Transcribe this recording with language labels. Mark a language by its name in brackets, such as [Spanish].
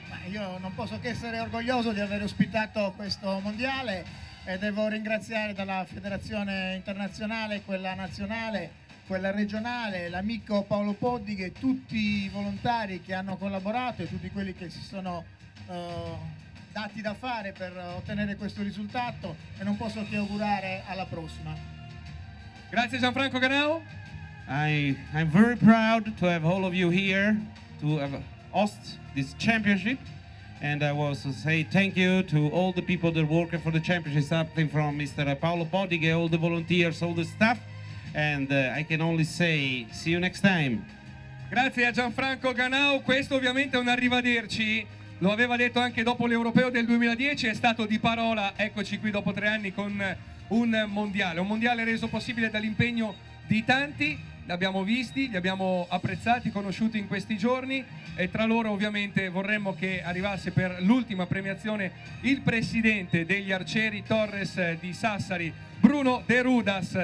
[Italian] Io non posso che essere orgoglioso di aver ospitato questo mondiale e devo ringraziare dalla federazione internazionale, quella nazionale, quella regionale, l'amico Paolo Poddighe, tutti i volontari che hanno collaborato e tutti quelli che si sono dati da fare per ottenere questo risultato, e non posso che augurare alla prossima. Grazie Gianfranco Ganao. [English] I'm very proud to have all of you here to have host this championship, and I was to say thank you to all the people that work for the championship, starting from Mr. Paolo Poddighe, all the volunteers, all the staff, and I can only say see you next time. [Italian] Grazie a Gianfranco Ganao. Questo ovviamente è un arrivederci. Lo aveva detto anche dopo l'Europeo del 2010, è stato di parola. Eccoci qui dopo 3 anni con un mondiale. Un mondiale reso possibile dall'impegno di tanti, li abbiamo visti, li abbiamo apprezzati, conosciuti in questi giorni, e tra loro ovviamente vorremmo che arrivasse per l'ultima premiazione il presidente degli Arcieri Torres di Sassari, Bruno De Rudas.